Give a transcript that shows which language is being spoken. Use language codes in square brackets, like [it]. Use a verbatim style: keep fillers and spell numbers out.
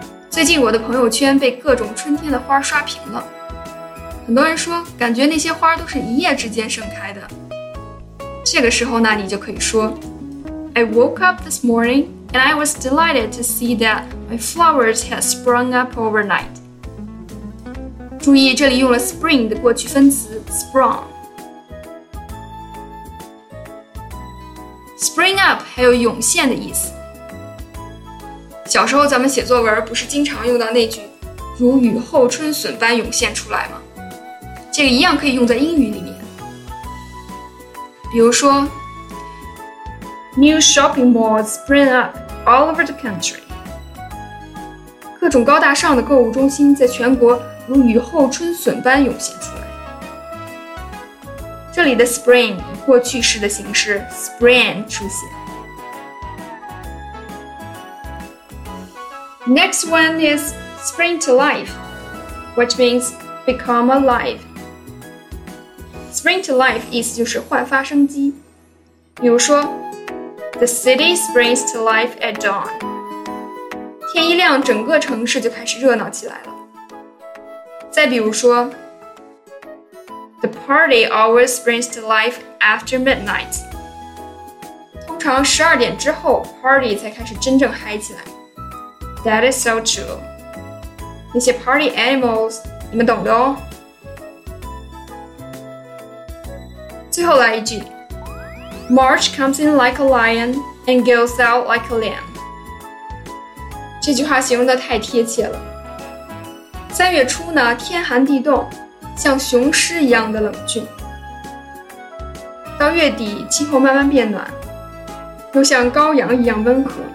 [zh] 最近我的朋友圈被各种春天的花刷屏了。很多人说，感觉那些花都是一夜之间盛开的。这个时候呢，你就可以说 [en] I woke up this morning and I was delighted to see that my flowers had sprung up overnight. [zh] 注意这里用了 spring 的过去分词 sprung。 Spring up 还有涌现的意思。小时候咱们写作文不是经常用到那句如雨后春笋般涌现出来吗？这个一样可以用在英语里面。比如说 [en] New shopping malls spring up all over the country. [zh] 各种高大上的购物中心在全国如雨后春笋般涌现出来。这里的 spring 以过去式的形式 spring 出现。 [en] Next one is spring to life, which means become alive. Spring to life [zh] 意思就是焕发生机，比如说 [en] The city springs to life at dawn. [zh] 天一亮，整个城市就开始热闹起来了。再比如说 [en] The party always springs to life after midnight. [zh] 通常十二点之后 party 才开始真正嗨起来。 [en] That is so true. [zh] 那些 party animals 你们懂的哦。最后来一句 [en] March comes in like a lion and goes out like a lamb. [zh] 这句话形容得太贴切了。三月初呢，天寒地冻，像雄狮一样的冷峻。到月底，气候慢慢变暖，又像羔羊一样温和。